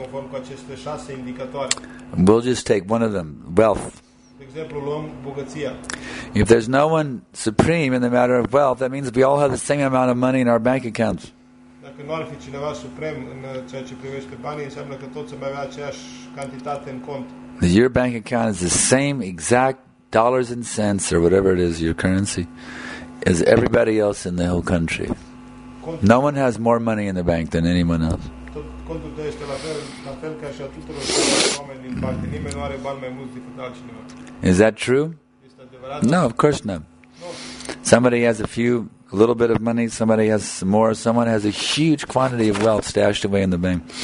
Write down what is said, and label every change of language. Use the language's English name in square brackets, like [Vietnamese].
[English] We'll just take one of them, wealth. If there's no one supreme in the matter of wealth, that means we all have the same amount of money in our bank accounts. [Romanian] Dacă nu ar fi cineva suprem în ceea ce privește banii, înseamnă că toți am avea aceeași cantitate în cont. [English] Your bank account is the same exact dollars and cents or whatever it is, your currency, as everybody else in the whole country. No one has more money in the bank than anyone else. [Romanian] Contul tău este la fel ca și a tuturor oameni din parte. Nimeni nu are bani mai mulți decât altcineva. [English] Is that true? No, of course not. Somebody has a little bit of money, somebody has some more, someone has a huge quantity of wealth stashed away in the bank.